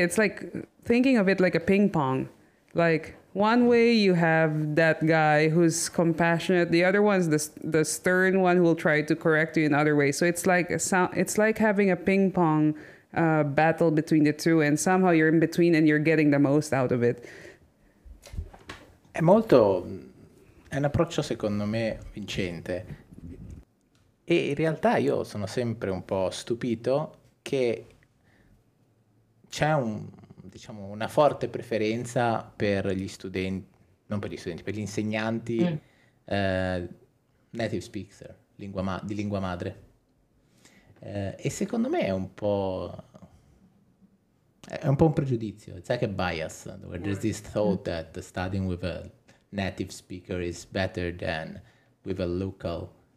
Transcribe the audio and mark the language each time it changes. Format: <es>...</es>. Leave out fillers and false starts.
<en>It's like thinking of it like a ping pong. Like one way you have that guy who's compassionate, the other one's the stern one who will try to correct you in other ways. So it's like a sound, it's like having a ping pong battle between the two, and somehow you're in between and you're getting the most out of it.</en> <it>È molto. È un approccio secondo me vincente. E in realtà io sono sempre un po' stupito che c'è diciamo, una forte preferenza per gli studenti, non per gli studenti, per gli insegnanti native speaker, di lingua madre. E secondo me è un po' un pregiudizio.</it> <en>It's like a bias. There's this thought that studying with a native speaker is better than with a local.</en>